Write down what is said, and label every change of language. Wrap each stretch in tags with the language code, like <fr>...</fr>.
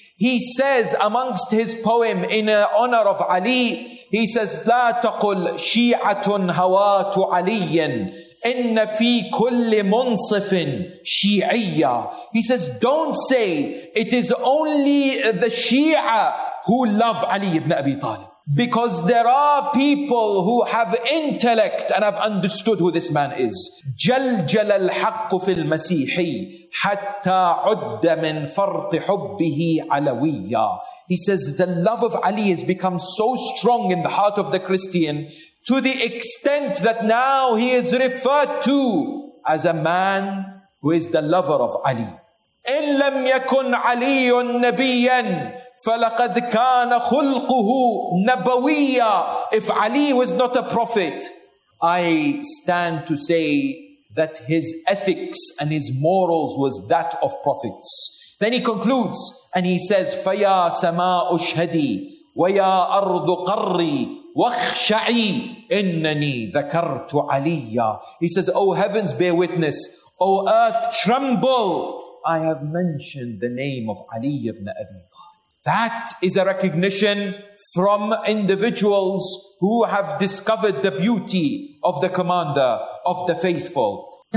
<en>He says amongst his poem in honor of Ali, he says,</en> <ar>لا تقل شيعة هوات علي إن في كل منصف شيعية.</ar> <en>He says, don't say it is only the Shia who love Ali ibn Abi Talib. Because there are people who have intellect and have understood who this man is.</en> <ar>جلجل الحق في المسيحي حتى عد من فرط حبه علويا.</ar> <en>He says, the love of Ali has become so strong in the heart of the Christian to the extent that now he is referred to as a man who is the lover of Ali.</en> <ar>إن لم يكن علي نبياً فَلَقَدْ كَانَ خُلْقُهُ نَبَوِيًّا.</ar> <en>If Ali was not a prophet, I stand to say that his ethics and his morals was that of prophets. Then he concludes and he says,</en> <ar>فَيَا سَمَاءُ شْهَدِي وَيَا أَرْضُ قَرِّي وَخْشَعِي إِنَّنِي ذَكَرْتُ عَلِيًّا.</ar> <en>He says, O heavens, bear witness. O earth, tremble. I have mentioned the name of Ali ibn Abi. That is a recognition from individuals who have discovered the beauty of the commander of the faithful.</en>